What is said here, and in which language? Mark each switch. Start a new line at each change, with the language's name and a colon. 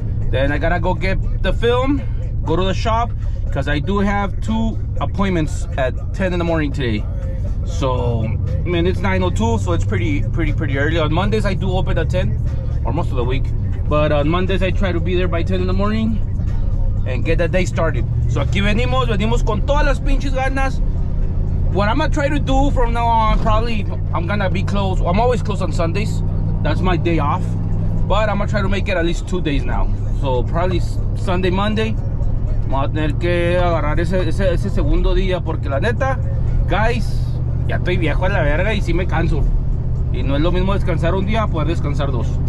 English: Then I gotta go get the film, go to the shop, because I do have 2 appointments at 10 in the morning today. So, I mean, it's 9:02, so it's pretty early. On Mondays, I do open at 10, or most of the week. But on Mondays, I try to be there by 10 in the morning and get the day started.
Spanish: So aquí venimos, venimos con todas las pinches ganas.
English: What I'm gonna try to do from now on, probably I'm gonna be closed. I'm always closed on Sundays. That's my day off. But I'm gonna try to make it at least 2 days now. So probably Sunday, Monday.
Spanish: Vamos a tener que agarrar ese segundo día porque la neta, guys, ya estoy viejo a la verga y sí me canso. Y no es lo mismo descansar un día a poder descansar 2.